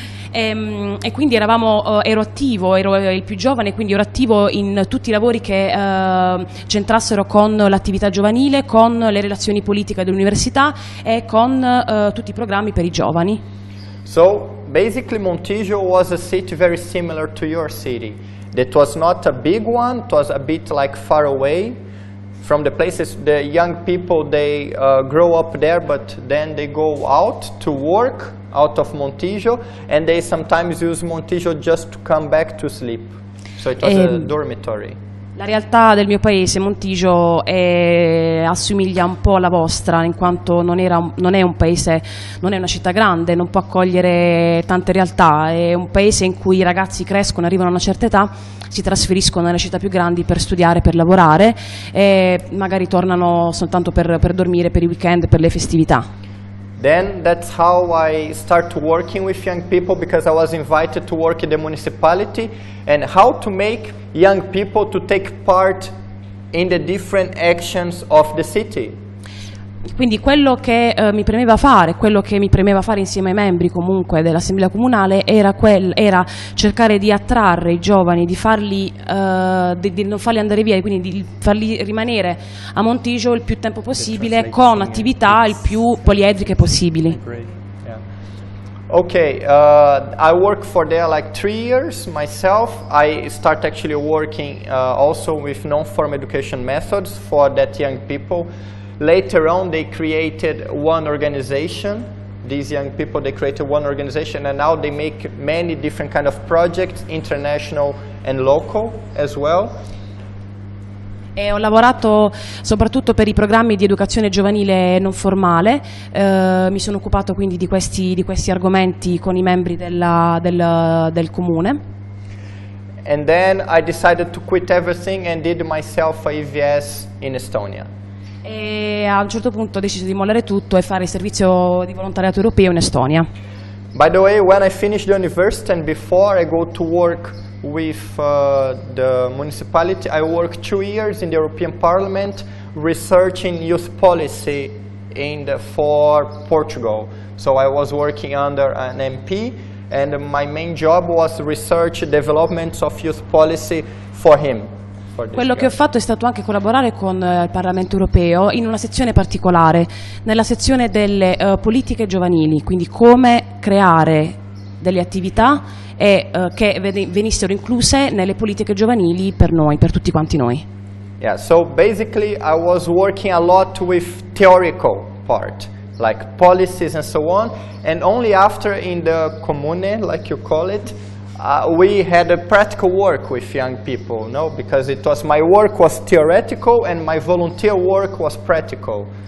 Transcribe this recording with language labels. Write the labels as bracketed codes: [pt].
[it] E quindi ero il più giovane, quindi ero attivo in tutti i lavori che centrassero con l'attività giovanile, con le relazioni politiche dell'università e con tutti i programmi per i giovani. [en] So basically Montijo was a city very similar to your city. It was not a big one, it was a bit like far away from the places the young people, they grow up there, but then they go out to work out of Montijo, and they sometimes use Montijo just to come back to sleep. So it was a dormitory. [it] La realtà del mio paese, Montijo, assomiglia un po' alla vostra, in quanto non è una città grande, non può accogliere tante realtà. È un paese in cui i ragazzi crescono, arrivano a una certa età, si trasferiscono nelle città più grandi per studiare, per lavorare, e magari tornano soltanto per dormire, per i weekend, per le festività. [en] Then that's how I start working with young people, because I was invited to work in the municipality, and how to make young people to take part in the different actions of the city. [it] Quindi quello che mi premeva fare, quello che mi premeva fare insieme ai membri comunque dell'assemblea comunale, era cercare di attrarre i giovani, di farli di non farli andare via, quindi di farli rimanere a Montijo il più tempo possibile con attività il più poliedriche possibili. [en] Okay, I work for there like 3 years myself. I start actually working also with non-form education methods for that young people. Later on, they created one organization. These young people, they created one organization, and now they make many different kind of projects, international and local as well. [it] E ho lavorato soprattutto per i programmi di educazione giovanile non formale. Mi sono occupato quindi di questi argomenti con i membri del comune. [en] And then I decided to quit everything and did myself a EVS in Estonia. [it] E a un certo punto ho deciso di mollare tutto e fare il servizio di volontariato europeo in Estonia. [en] By the way, when I finish the university and before I go to work with the municipality, I work 2 years in the European Parliament researching youth policy for Portugal. So I was working under an MP, and my main job was research development of youth policy for him. [it] Quello che ho fatto è stato anche collaborare con il Parlamento europeo in una sezione particolare, nella sezione delle politiche giovanili, quindi come creare delle attività che venissero incluse nelle politiche giovanili per noi, per tutti quanti noi. [en] Yeah, so basically I was working a lot with theoretical part, like policies and so on, and only after in the comune, like you call it, we had a practical work with young people, no? Because it was my work was theoretical and my volunteer work was practical.